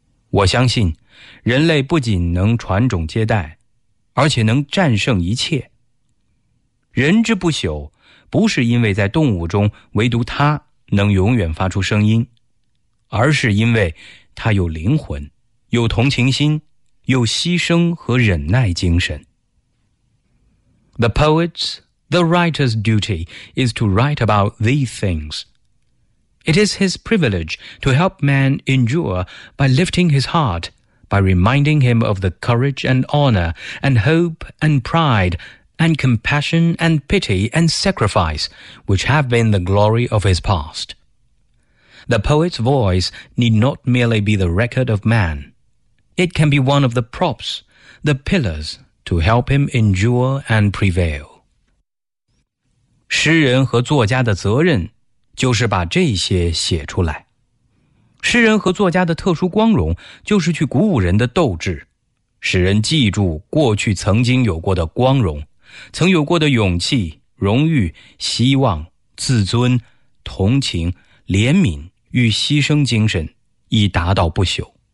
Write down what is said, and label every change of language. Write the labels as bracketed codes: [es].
[zh] 我相信人类不仅能传种接代，而且能战胜一切。人之不朽不是因为在动物中唯独它能永远发出声音，而是因为它有灵魂，有同情心，有牺牲和忍耐精神。 [en] The poet's, the writer's duty is to write about these things. It is his privilege to help man endure by lifting his heart, by reminding him of the courage and honor and hope and pride and compassion and pity and sacrifice which have been the glory of his past. The poet's voice need not merely be the record of man. It can be one of the props, the pillars, to help him endure and prevail. [zh] 诗人和作家的责任就是把这些写出来。诗人和作家的特殊光荣就是去鼓舞人的斗志，使人记住过去曾经有过的光荣，曾有过的勇气、荣誉、希望、自尊、同情、怜悯与牺牲精神，以达到不朽。